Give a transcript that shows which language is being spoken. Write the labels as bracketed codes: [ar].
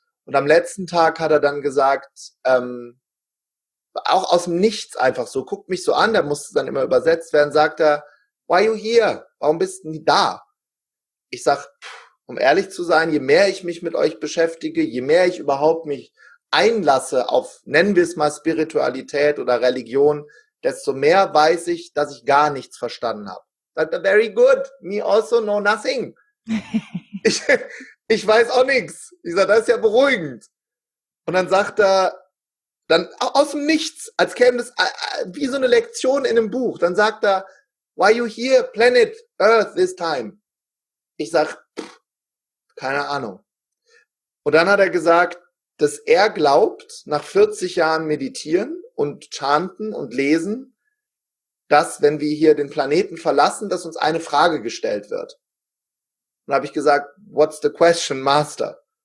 [de] Und am letzten Tag hat er dann gesagt, auch aus dem Nichts einfach so, guckt mich so an, da musste dann immer übersetzt werden, sagt er, [en] why are you here? [de] Warum bist du nicht da? Ich sag, um ehrlich zu sein, je mehr ich mich mit euch beschäftige, je mehr ich überhaupt mich einlasse auf, nennen wir es mal Spiritualität oder Religion, desto mehr weiß ich, dass ich gar nichts verstanden habe. [en] Sagt er, very good, me also know nothing. [de] ich weiß auch nichts. Ich sage, das ist ja beruhigend. Und dann sagt er, dann aus dem Nichts, als käme das wie so eine Lektion in einem Buch, dann sagt er, [en] why are you here, planet Earth, this time? [de] Ich sag, keine Ahnung. Und dann hat er gesagt, dass er glaubt, nach 40 Jahren meditieren und chanten und lesen, dass, wenn wir hier den Planeten verlassen, dass uns eine Frage gestellt wird. Und dann habe ich gesagt, [en] what's the question, Master?